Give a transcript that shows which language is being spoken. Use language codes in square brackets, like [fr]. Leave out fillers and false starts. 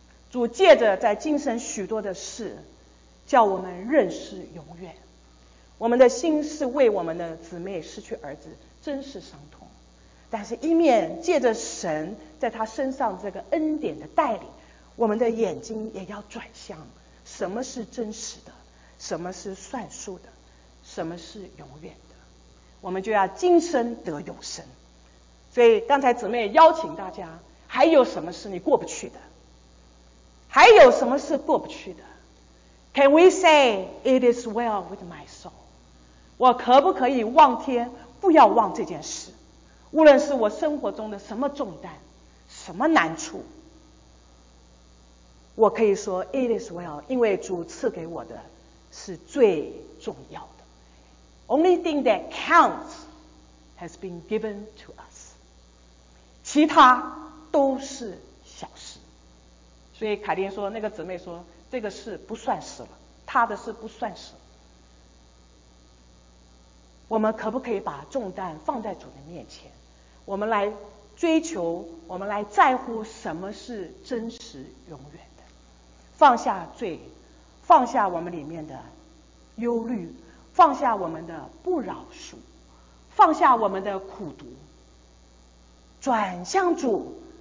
[zh] 主借着在今生许多的事叫我们认识永远，我们的心是为我们的姊妹失去儿子真是伤痛，但是一面借着神在他身上这个恩典的带领，我们的眼睛也要转向什么是真实的，什么是算数的，什么是永远的，我们就要今生得永生。所以刚才姊妹邀请大家，还有什么是你过不去的，还有什么是过不去的？ [en] Can we say it is well with my soul？ [zh] 我可不可以望天不要忘这件事，无论是我生活中的什么重担什么难处，我可以说 [en] it is well， [zh] 因为主赐给我的是最重要的。 [en] Only thing that counts has been given to us， [zh] 其他都是小事。所以凯琳说，那个姊妹说，这个事不算事了，他的事不算事了。我们可不可以把重担放在主的面前，我们来追求，我们来在乎什么是真实永远的，放下罪，放下我们里面的忧虑，放下我们的不饶恕，放下我们的苦毒，转向主。